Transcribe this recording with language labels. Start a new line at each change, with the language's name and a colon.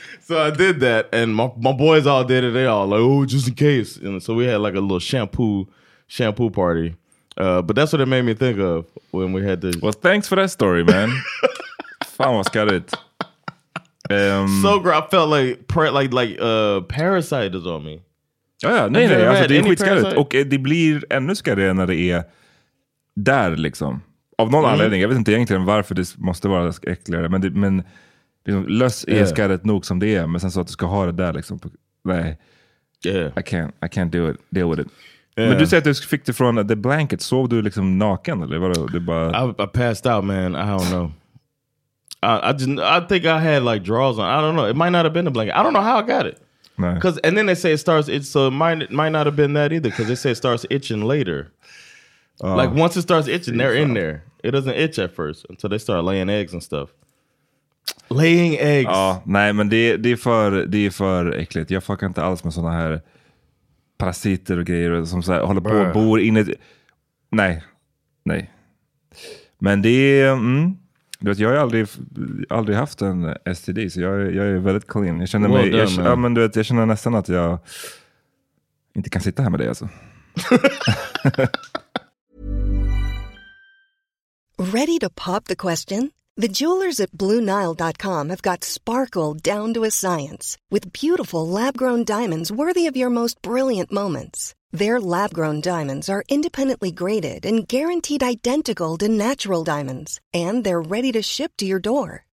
English: So I did that, and my boys all did it. They all like, oh, just in case. And so we had like a little shampoo party. But that's what it made me think of when we had this. Well, thanks for that story, man.
Swedish: Fan vad skallit.
English: So great. I felt like Parasite is on me.
Swedish: Ja, ja, nej, nej, alltså, det är skitskallit. Och det blir ännu skallare när det är där, liksom. Av någon anledning. Jag vet inte egentligen varför det måste vara äckligare. Men, det, men liksom, löss är skallet nog som det är. Men sen så att du ska ha det där, liksom. Nej.
English: Yeah. I can't do it. Deal with it. Yeah.
Swedish: Men du säger att du fick det från
English: the blanket.
Swedish: Sov du liksom naken eller vad du bara?
English: I passed out, man. I don't know. I think I had like draws on. I don't know. It might not have been the blanket. I don't know how I got it. Because and then they say it starts itch. So it might not have been that either. Because they say it starts itching later. Like once it starts itching, they're in there. It doesn't itch at first until they start laying eggs and stuff. Laying eggs.
Swedish: Ja, nej, men det är för äckligt. Jag fuckar inte alls med såna här parasiter och grejer som så här håller på och bor inne. Nej. Nej. Men det du vet, jag har aldrig haft en STD, så jag är väldigt clean. Jag känner mig, men du vet, jag känner nästan att jag inte kan sitta här med dig alltså.
English: Ready to pop the question? The jewelers at BlueNile.com have got sparkle down to a science with beautiful lab-grown diamonds worthy of your most brilliant moments. Their lab-grown diamonds are independently graded and guaranteed identical to natural diamonds, and they're ready to ship to your door.